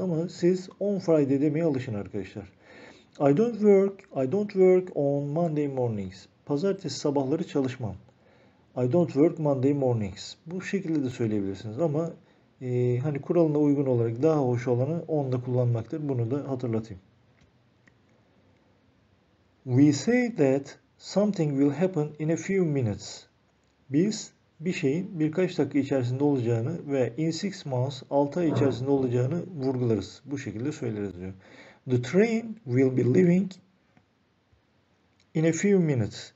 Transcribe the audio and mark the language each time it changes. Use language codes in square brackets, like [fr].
[tr] Ama siz on Friday demeye alışın arkadaşlar. [en] I don't work on Monday mornings. [tr] Pazartesi sabahları çalışmam. [en] I don't work Monday mornings. [tr] Bu şekilde de söyleyebilirsiniz ama hani kuralına uygun olarak daha hoş olanı onda kullanmaktır. Bunu da hatırlatayım. [en] We say that something will happen in a few minutes. [tr] Biz bir şeyin birkaç dakika içerisinde olacağını ve [en] in 6 months [tr] 6 ay içerisinde olacağını vurgularız. Bu şekilde söyleriz diyor. [en] The train will be leaving in a few minutes.